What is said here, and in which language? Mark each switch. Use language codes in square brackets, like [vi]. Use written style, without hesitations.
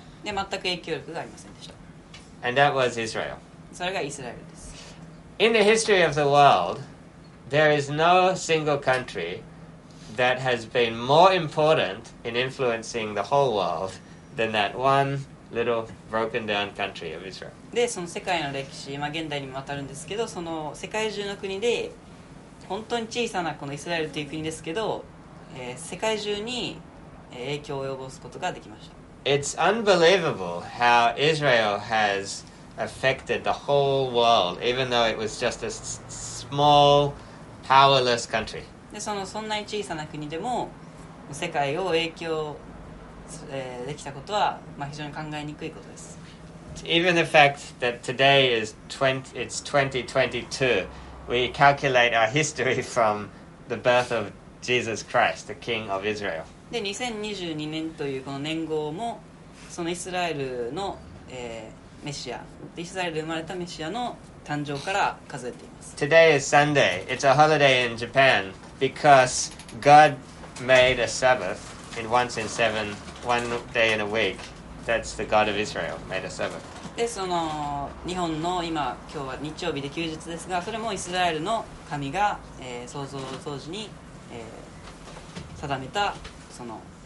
[ja] で、全く影響力がありませんでした。 [en] And that was Israel. [ja] それがイスラエルです。 [en] In the history of the world, there is no single country that has been more important in influencing the whole world than that one little broken down country of Israel. [ja] で、その世界の歴史、現代にもわたるんですけど、その世界中の国で、本当に小さなこのイスラエルという国ですけど、世界中に影響を及ぼすことができました。 [en] It's unbelievable how Israel has... affected the whole world, even though it was just a small, powerless country. [ja] で、その、そんなに小さな国でも、世界を影響、できたことは、非常に考えにくいことです。 [en] Even the fact that today is 20, it's 2022, we calculate our history from the birth of Jesus Christ, the King of Israel. [ja] で2022年というこの年号もそのイスラエルの、メシアイスラエルで生まれたメシアの誕生から数えています。 [en] Today is Sunday. It's a holiday in Japan because God made a Sabbath in once in seven, one day in a week. That's the God of Israel made a Sabbath. [ja] でその日本の今日は日曜日で休日ですが、それもイスラエルの神が、創造当時に、定めたその